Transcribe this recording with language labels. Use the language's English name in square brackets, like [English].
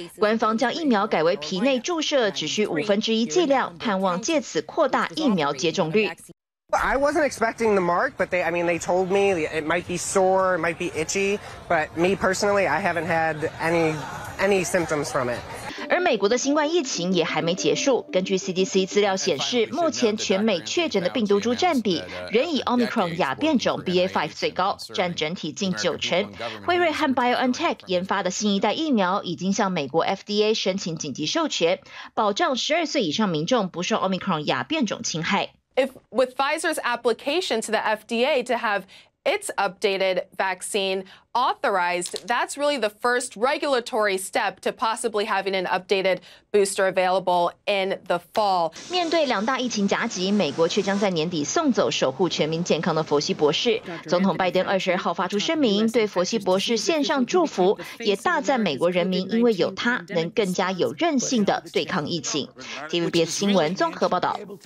[Chinese] 官方将疫苗改为皮内注射，只需1/5剂量，盼望借此扩大疫苗接种率。 [English] I wasn't expecting the mark, but they told me it might be sore, it might be itchy, but me personally, I haven't had any symptoms from it. [Chinese] 而美国的新冠疫情也还没结束。根据 CDC 资料显示，目前全美确诊的病毒株占比仍以 Omicron 亚变种 BA.5 最高，占整体近90%。辉瑞和 BioNTech 研发的新一代疫苗已经向美国 FDA 申请紧急授权，保障12岁以上民众不受 Omicron 亚变种侵害。 [English] If with Pfizer's application to the FDA to have its updated vaccine authorized, that's really the first regulatory step to possibly having an updated booster available in the fall. [Chinese] 面对两大疫情夹击，美国却将在年底送走守护全民健康的佛西博士。总统拜登22号发出声明，对佛西博士献上祝福，也大赞美国人民因为有他，能更加有韧性的对抗疫情。 TVBS 新闻综合报道。